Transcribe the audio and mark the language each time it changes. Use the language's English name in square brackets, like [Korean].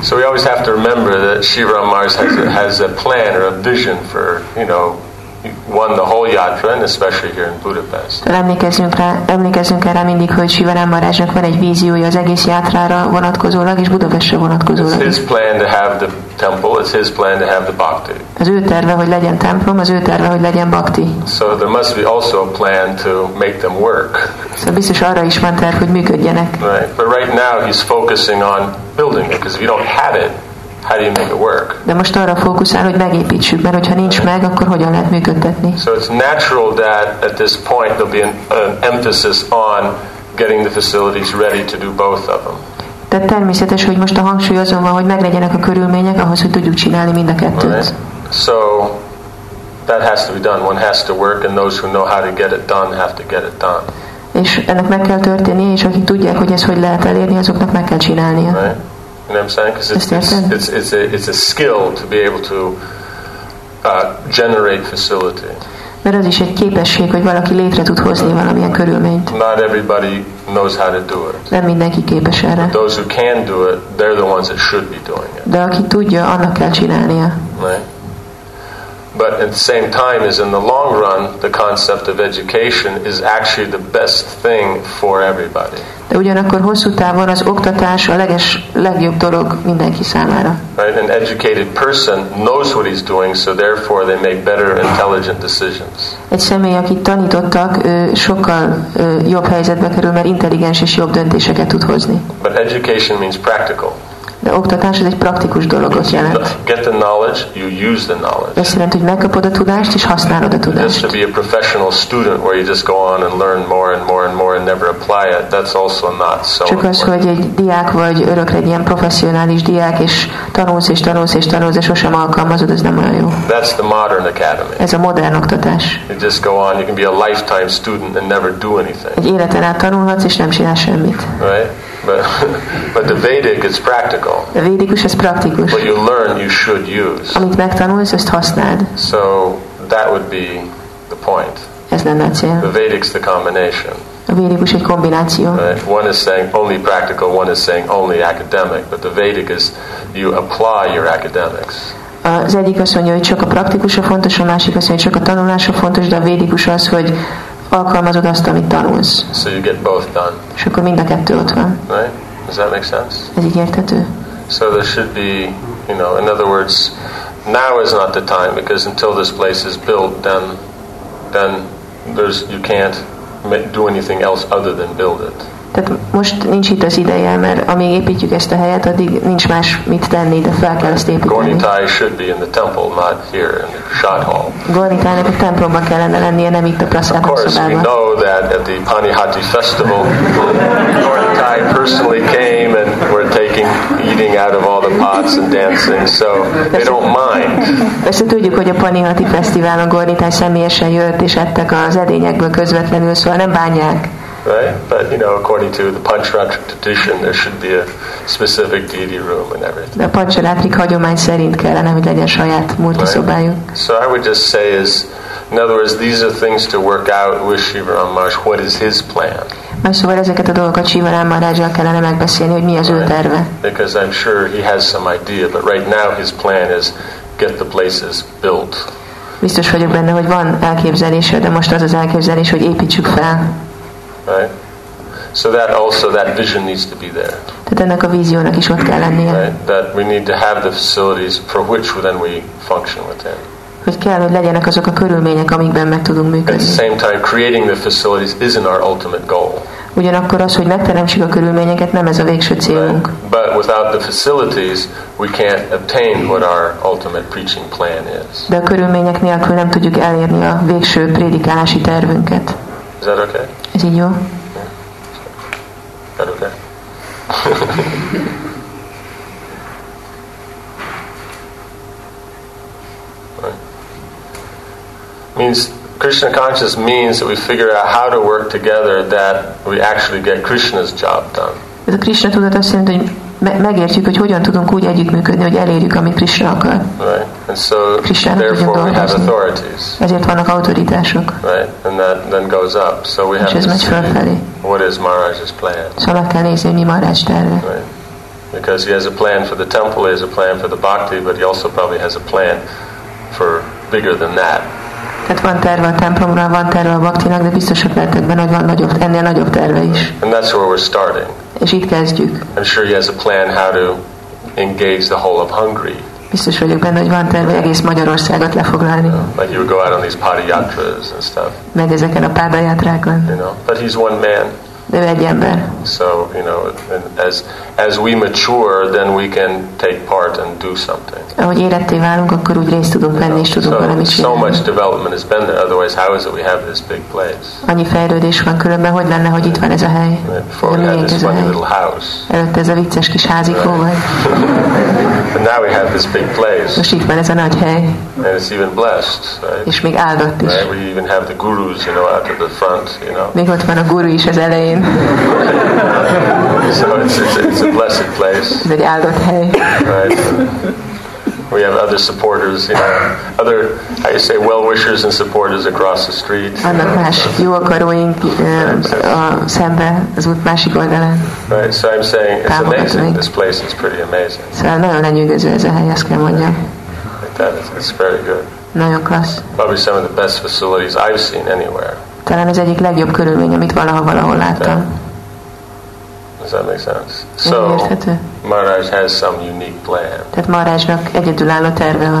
[English] So we always have to remember that Shiva Mars has a plan or a vision for, you know, one, the whole yatra, and especially here in Budapest. [Hungarian] Emlékezzünk erre mindig, hogy Shiva Maharajnak van egy víziója az egész yatrára vonatkozólag, és Budapestre vonatkozólag. [English] It's his plan to have the temple, it's his plan to have the bhakti. [Hungarian] Az ő terve, hogy legyen templom, az ő terve, hogy legyen bhakti. [English] So there must be also a plan to make them work. [Hungarian] Szóval biztos arra is van terv, hogy működjenek. [English] Right, but right now he's focusing on building it, because if you don't have it, how do you make it work? [Hungarian] De most arra fókuszál, hogy megépítsük, mert hogyha nincs meg, akkor hogyan lehet működtetni? [English] So it's natural that at this point there'll be an emphasis on getting the facilities ready to do both of them. [Hungarian] De természetes, hogy most a hangsúly azon van, hogy meglegyenek a körülmények ahhoz, hogy tudjuk csinálni mind a kettőt. [English] Right. So that has to be done. One has to work, and those who know how to get it done have to get it done. [Hungarian] És ennek meg kell történni, és akik tudják, hogy ez hogy lehet elérni, azoknak meg kell csinálnia. [English] Right. You know what I'm saying? Because it's a skill to be able to generate facility. [Hungarian] Mert az is egy képesség, hogy valaki létre tud hozni valamilyen körülményt. [English] Not everybody knows how to do it. [Hungarian] Nem mindenki képes erre. [English] But those who can do it, they're the ones that should be doing it. [Hungarian] De aki tudja, annak kell csinálnia. [English] Right. But at the same time, is in the long run, the concept of education is actually the best thing for everybody. [Hungarian] De ugyanakkor hosszú távon az oktatás a legjobb dolog mindenki számára. [English] Right, an educated person knows what he's doing, so therefore they make better, intelligent decisions. [Hungarian] Egy személy, akit tanítottak, sokkal jobb helyzetbe kerül, mert intelligens és jobb döntéseket tud hozni. [English] But education means practical. [Hungarian] De oktatás az egy praktikus dologot jelent. [English] Get the knowledge, you use the knowledge. [Hungarian] Ez jelent, hogy megkapod a tudást és használod a tudást. [English] Just to be a professional student where you just go on and learn more and more and more and never apply it, that's also not so. [Hungarian] Csak az, hogy egy diák vagy örökre egy ilyen professzionális diák és tanulsz és tanulsz és tanulsz és sosem alkalmazod, ez nem olyan jó. [English] That's the modern academy. [Hungarian] Ez a modern oktatás. [English] You just go on, you can be a lifetime student and never do anything. [Hungarian] Egy életen át tanulhatsz és nem csinálsz semmit. [English] Right? but the Vedic is practical. [Hungarian] A védikus az praktikus. [English] What you learn, you should use. [Hungarian] Amit megtanulsz, azt használd. [English] So that would be the point. [Hungarian] Ez lenne a cél. [English] The Vedic's the combination. [Hungarian] A védikus egy kombináció. [English] One is saying only practical, one is saying only academic, but the Vedic is you apply your academics. [Hungarian] Az egyik azt mondja, hogy csak a praktikus a fontos, a másik azt mondja, hogy csak a tanulás a fontos, de a védikus az, hogy alkalmazod azt, amit tanulsz. [English] So you get both done. [Hungarian] És akkor mind a kettő ott van. [English] Right? Does that make sense? [Hungarian] Ez így érthető? [English] So there should be, you know, in other words, now is not the time, because until this place is built, then there's, you can't do anything else other than build it. [Hungarian] Tehát most nincs itt az ideje, mert amíg építjük ezt a helyet, addig nincs más mit tenni, de fel kell ezt építeni. [English] Gornitai should be in the temple, not here in the Shot Hall. [Hungarian] Gornitainak a templomban kellene lennie, nem itt a Prasadam szobában. [English] Of course, we know that at the Panihati festival, Gornitai personally came and were taking, eating out of all the pots and dancing, so they don't mind. [Hungarian] Persze tudjuk, hogy a Panihati fesztiválon Gornitai személyesen jött, és ettek az edényekből közvetlenül, szóval nem bánják. [English] Right, but you know, according to the Pancharatri tradition, there should be a specific deity room and everything. [Hungarian] De a Pancharatri hagyomány szerint kellene, hogy legyen saját multiszobájuk. [English] Right. So I would just say, is in other words, these are things to work out with Shiva Rammarsh. What is his plan? [Hungarian] Más szóval ezeket a dolgokat Shiva Rammarshal kellene megbeszélni, hogy mi az [English] right. [Hungarian] ő terve. [English] Because I'm sure he has some idea, but right now his plan is get the places built. [Hungarian] Biztos vagyok benne, hogy van elképzelése, de most az az elképzelés, hogy építsük fel. [English] Right. So that also that vision needs to be there. [Hungarian] Tehát ennek a víziónak is ott kell lennie. [English] Right. That we need to have the facilities for which then we function within. [Hungarian] Hogy kell, hogy legyenek azok a körülmények, amikben meg tudunk működni. [English] At the same time, creating the facilities isn't our ultimate goal. [Hungarian] Ugyanakkor az, hogy megteremtsük a körülményeket, nem ez a végső célunk. [English] Right. But without the facilities, we can't obtain what our ultimate preaching plan is. [Hungarian] De a körülmények nélkül nem tudjuk elérni a végső prédikálási tervünket. [English] Is that okay? Is it you? Yeah. Is that okay? Right. Means Krishna conscious means that we figure out how to work together that we actually get Krishna's job done. [Hungarian] Ez a Krishna tudat azt jelenti, hogy megértjük, hogy hogyan tudunk úgy együttműködni, hogy elérjük, amit Krishna akar. [English] Right. And so therefore we have authorities. [Hungarian] Ezért vannak autoritások. [English] Right. And that then goes up. So we have to see [Hungarian] fölfelé. [English] What is Maharaj's plan. [Hungarian] Szóval kell nézni, mi Maharaj terve. [English] Right. Because he has a plan for the temple, he has a plan for the bhakti, but he also probably has a plan for bigger than that. [Hungarian] Tehát van terve a templomra, van terve a bhaktinak, de biztos, hogy lehetek benne, hogy van nagyobb, ennél nagyobb terve is. [English] And that's where we're starting. [Hungarian] És itt kezdjük. [English] I'm sure he has a plan how to engage the whole of Hungary. [Hungarian] Biztos vagyok benne, hogy van terve egész Magyarországot lefoglalni. [English] But he would go out on these padayatras and stuff. [Hungarian] Meg ezeken a padayatrákon. [English] You know, but he's one man. [Hungarian] De ő egy ember. [English] So, you know, as we mature, then we can take part and do something. [Hungarian] Ahogy életté válunk, akkor úgy részt tudunk venni, [English] you know, [Hungarian] és tudunk [English] so, [Hungarian] valamit csinálni. [English] So much development has been there, otherwise how is it we have this big place? [Hungarian] Annyi fejlődés van különben, hogy lenne, hogy itt van ez a hely? [English] Before we had this funny little house. [Hungarian] Előtte ez a vicces kis házikó volt. [English] But now we have this big place. [Hungarian] Most itt van ez a nagy hely. [English] And it's even blessed, right? [Hungarian] És még áldott is. [English] Right? We even have the gurus, you know, out at the front, you know. [Hungarian] Még ott van a guru is az elején. [English] So it's a blessed place. [Hungarian] Ez egy áldott hely. [English] Right. We have other supporters, you know, other, how you say, well-wishers and supporters across the street. [Hungarian] Vannak más jó akaróink szembe, az út másik oldalán. [English] Right, so I'm saying it's amazing. This place is pretty amazing. [Hungarian] Szóval nagyon lenyűgöző ez a hely, ezt kell mondjam. [English] It's very good. [Hungarian] Nagyon klassz. [English] Probably some of the best facilities I've seen anywhere. [Hungarian] Talán az egyik legjobb körülmény, amit valaha valahol láttam. [English] Okay. Does that make sense? So, Maharaj has some unique plan. [Hungarian] Tehát Maharajnak egyedülálló terve van.